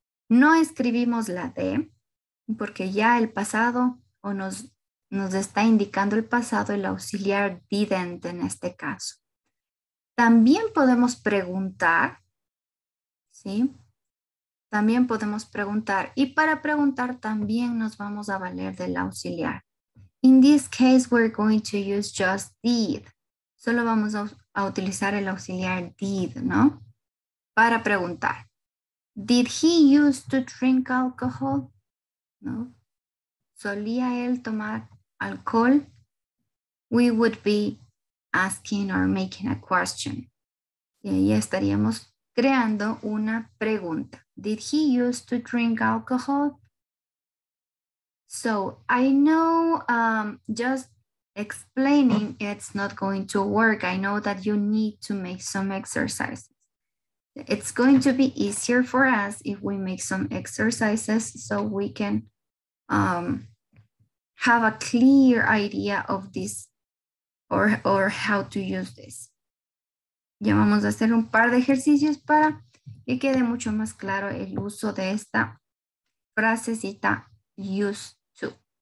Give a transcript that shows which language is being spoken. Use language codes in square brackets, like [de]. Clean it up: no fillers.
[es] No escribimos la D porque ya el pasado o nos está indicando el pasado, el auxiliar didn't en este caso. También podemos preguntar, ¿sí? También podemos preguntar y para preguntar también nos vamos a valer del auxiliar. [en] In this case, we're going to use just did. [es] Solo vamos a utilizar el auxiliar did, ¿no? Para preguntar. [en] Did he use to drink alcohol? ¿No? [es] ¿Solía él tomar alcohol? [en] We would be asking or making a question. [es] Y ahí estaríamos creando una pregunta. [en] Did he used to drink alcohol? So I know just explaining it's not going to work. I know that you need to make some exercises. It's going to be easier for us if we make some exercises so we can have a clear idea of this or how to use this. [es] Ya vamos a hacer un par de ejercicios para que quede mucho más claro el uso de esta frasecita used to.